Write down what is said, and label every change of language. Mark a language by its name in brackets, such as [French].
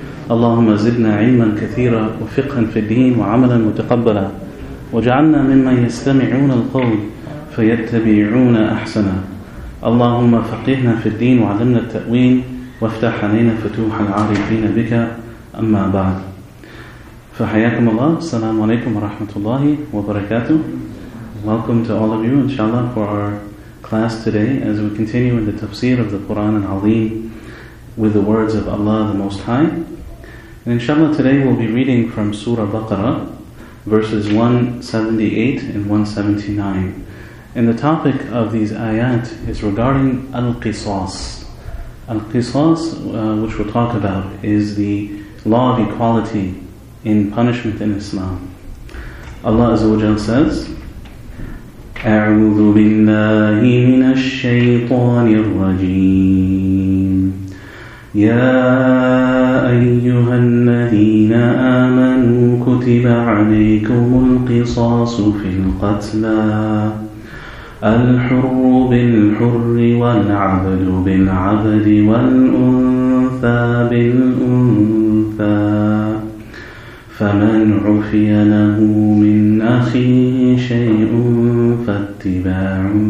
[Arabic] اللهم زدنا علما كثيرا وفقها في الدين وعملا متقبلا، وجعلنا ممن يستمعون القول فيتبعون أحسنا. اللهم فقهنا في الدين وعلمنا التأويل، وافتح علينا فتوح العارفين بك. أما بعد، فحياكم الله. السلام عليكم ورحمة الله وبركاته. [English] Welcome to all of you, inshallah, for our class today as we continue in the tafsir of the Quran al-Azim with the words of Allah the Most High. And inshallah, today we'll be reading from Surah Baqarah, verses 178 and 179. And the topic of these ayat is regarding al-qisas. Al-qisas, which we'll talk about, is the law of equality in punishment in Islam. Allah Azza wa Jalla says, [Arabic] أعوذ بالله من الشيطان الرجيم. يا أيها الذين آمنوا كتب عليكم القصاص في القتلى الحر بالحر والعبد بالعبد والأنثى بالأنثى فمن عفي له من أخيه شيء فاتباع